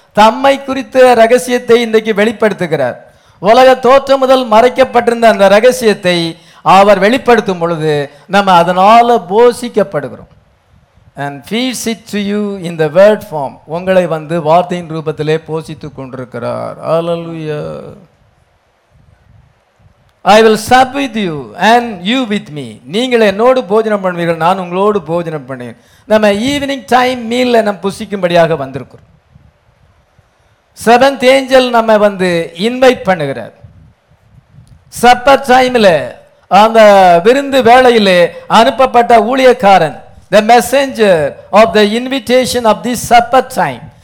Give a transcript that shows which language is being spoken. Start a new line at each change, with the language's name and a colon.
Tamil: தம்மை குறித்த ரகசியத்தை இன்றைக்கு வெளிப்படுத்துகிறார். உலக தோற்றம் முதல் மறைக்கப்பட்டிருந்த அந்த ரகசியத்தை அவர் வெளிப்படுத்தும் பொழுது நம்ம அதனால் போஷிக்கப்படுகிறோம்.
English: And feeds it to you in the word form.
Tamil: உங்களை வந்து வார்த்தையின் ரூபத்திலே போஷித்து கொண்டிருக்கிறார். ஹல்லேலூயா.
English: I will sup with you and you with me.
Tamil: நீங்கள் என்னோடு போஜனம் பண்ணுவீர்கள், நான் உங்களோடு போஜனம் பண்ணுவேன். நம்ம
English: evening time meal
Tamil: நம்ம புசிக்கும்படியாக வந்திருக்கிறோம். செவன்த் ஏஞ்சல் நம்ம வந்து இன்வைட் பண்ணுகிறார். சப்பர் டைம்ல அந்த விருந்து வேளையில் அனுப்பப்பட்ட ஊழியக்காரன்
English: The messenger of the invitation of the supper time.